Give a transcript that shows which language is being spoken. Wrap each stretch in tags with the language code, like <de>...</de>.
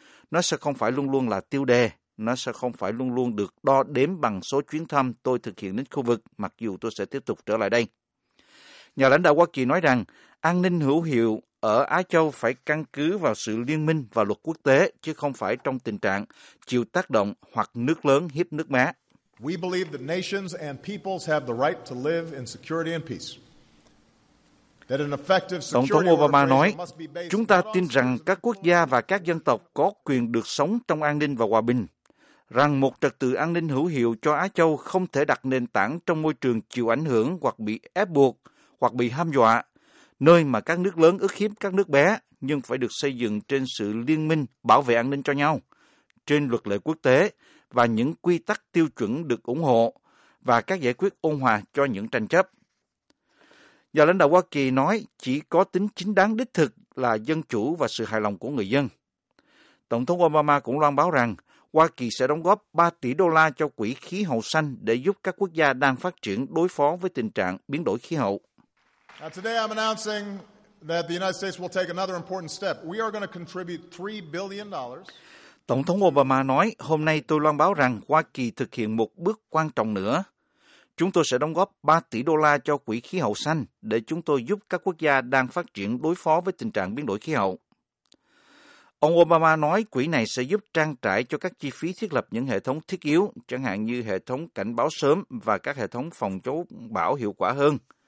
<vi>Nó sẽ không phải luôn luôn là tiêu đề, nó sẽ không phải luôn luôn được đo đếm bằng số chuyến thăm tôi thực hiện đến khu vực, mặc dù tôi sẽ tiếp tục trở lại đây. Nhà lãnh đạo Hoa Kỳ nói rằng, an ninh hữu hiệu ở Á Châu phải căn cứ vào sự liên minh và luật quốc tế, chứ không phải trong tình trạng chịu tác động hoặc nước lớn hiếp nước bé.</vi> <en>We believe that nations and peoples have the right to live in security and peace. That an effective security must be based on</en> <vi>Tổng thống Obama nói, chúng ta tin rằng các quốc gia và các dân tộc có quyền được sống trong an ninh và hòa bình, rằng một trật tự an ninh hữu hiệu cho Á Châu không thể đặt nền tảng trong môi trường chịu ảnh hưởng hoặc bị ép buộc hoặc bị hăm dọa, nơi mà các nước lớn ức hiếp các nước bé, nhưng phải được xây dựng trên sự liên minh bảo vệ an ninh cho nhau, trên luật lệ quốc tế và những quy tắc tiêu chuẩn được ủng hộ và các giải quyết ôn hòa cho những tranh chấp. Nhà lãnh đạo Hoa Kỳ nói chỉ có tính chính đáng đích thực là dân chủ và sự hài lòng của người dân. Tổng thống Obama cũng loan báo rằng Hoa Kỳ sẽ đóng góp 3 tỷ đô la cho quỹ khí hậu xanh để giúp các quốc gia đang phát triển đối phó với tình trạng biến đổi khí hậu.</vi> <en>Today I'm announcing that the United States will take another important step. We are going to contribute $3 billion.</en> <vi>Tổng thống Obama nói, hôm nay tôi loan báo rằng Hoa Kỳ thực hiện một bước quan trọng nữa. Chúng tôi sẽ đóng góp 3 tỷ đô la cho quỹ khí hậu xanh để chúng tôi giúp các quốc gia đang phát triển đối phó với tình trạng biến đổi khí hậu. Ông Obama nói quỹ này sẽ giúp trang trải cho các chi phí thiết lập những hệ thống thiết yếu, chẳng hạn như hệ thống cảnh báo sớm và các hệ thống phòng chống bão hiệu quả hơn.</vi>